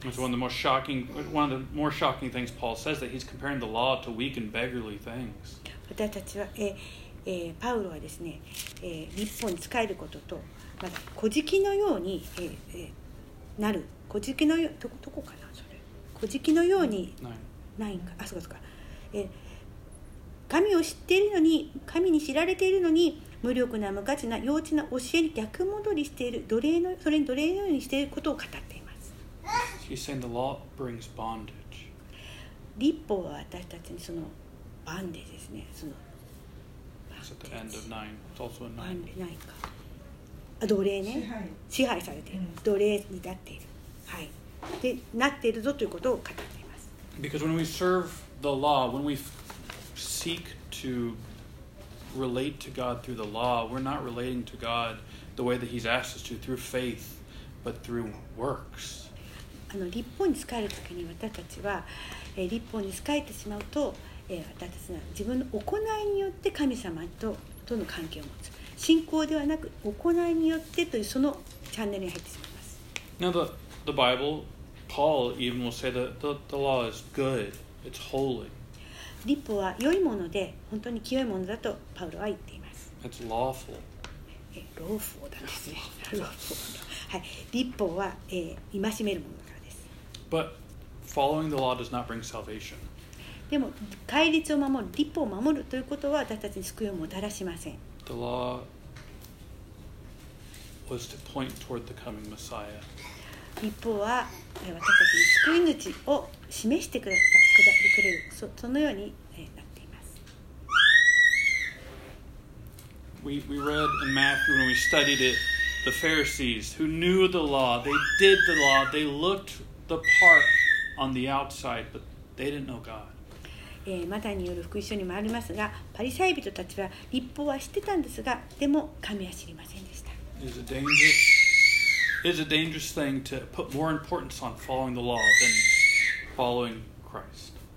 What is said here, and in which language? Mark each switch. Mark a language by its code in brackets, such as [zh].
[en] It's one of the more shocking things Paul says, that he's comparing the law to weak and beggarly things. [ja] 私たちは、パウロはですね、律法に仕えることと、まあ、乞食のように、なる。乞食のよ、どこかな、それ。乞食のようにないんか。あ、そうですか。神を知っているのに、神に知られているのに、無力な無価値な幼稚な教えに逆戻りしている奴隷の、それに奴隷のようにしていることを語っています。 [en] She's saying the law brings bondage. [ja] 律法は私たちにその、バンデですね。その、 [en] It's at the end of 9. It's also a 9. [ja] ないか。あ、奴隷ね。支配されている。奴隷になっている。はい。で、なっているぞということを語っています。 [en] Because when we serve the law, when we seek to relate to God through the law, we're not relating to God the way that He's asked us to, through faith, but through works. [ja] あの、律法に仕えるときに私たちは、律法に仕えてしまうと、私たちは自分の行いによって神様との関係を持つ。信仰ではなく行いによってというそのチャンネルに入ってしまいます。 [en] Now the Bible, Paul even will say that the law is good, it's holy. [ja] 律法は良いもので本当に清いものだとパウロは言っています。 [en] It's lawful. [ja] Lawful だですね。 Lawful. はい。律法は、戒めるものだからです。 [en] But following the law does not bring salvation. [ja] でも戒律を守る、律法を守るということは私たちに救いをもたらしません。 [en] The law was to point toward the coming Messiah. [ja] 律法は私たちに救い主を示してくれる、そのようになっています。 [en] We read in Matthew when we studied it, the Pharisees who knew the law, they did the law, they looked the part on the outside, but they didn't know God. [ja] マタイによる福音書にもありますが、パリサイ人たちは律法は知ってたんですが、でも神は知りませんでした。 [en] It's a dangerous, thing to put more importance on following the law than following Christ.